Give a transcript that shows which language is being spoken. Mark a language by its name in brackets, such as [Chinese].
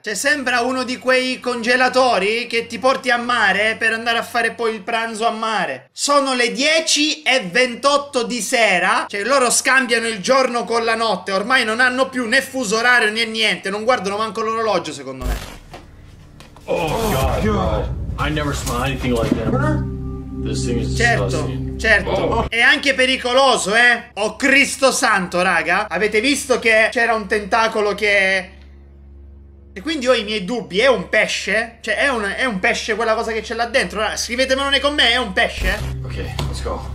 [Italian] Cioè sembra uno di quei congelatori che ti porti a mare per andare a fare poi il pranzo a mare. Sono le 10:28 di sera, cioè loro scambiano il giorno con la notte. Ormai non hanno più né fuso orario né niente, non guardano manco l'orologio secondo me. [English] Oh god. I never smell anything like that. [Italian] Certo, certo. È anche pericoloso, Oh Cristo santo, raga. Avete visto che c'era un tentacolo che... E quindi ho i miei dubbi. È un pesce? Cioè, è un pesce quella cosa che c'è là dentro? Scrivetemelo nei commenti, è un pesce? [English] Ok, let's go.